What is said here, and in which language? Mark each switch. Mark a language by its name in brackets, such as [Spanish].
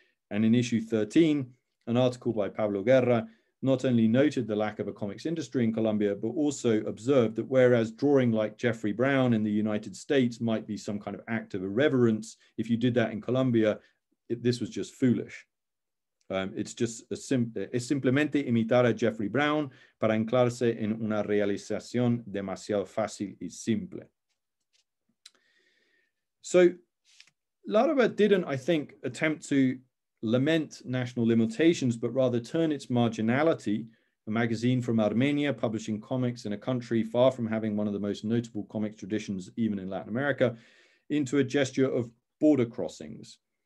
[English] And in issue 13, an article by Pablo Guerra not only noted the lack of a comics industry in Colombia, but also observed that whereas drawing like Jeffrey Brown in the United States might be some kind of act of irreverence, if you did that in Colombia, this was just foolish. It's just a [Spanish] es simplemente imitar a Jeffrey Brown para anclarse en una realización demasiado fácil y simple. [English] So Larrabe didn't, I think, attempt to lament national limitations, but rather turn its marginality, a magazine from Armenia publishing comics in a country far from having one of the most notable comic traditions, even in Latin America, into a gesture of border crossings.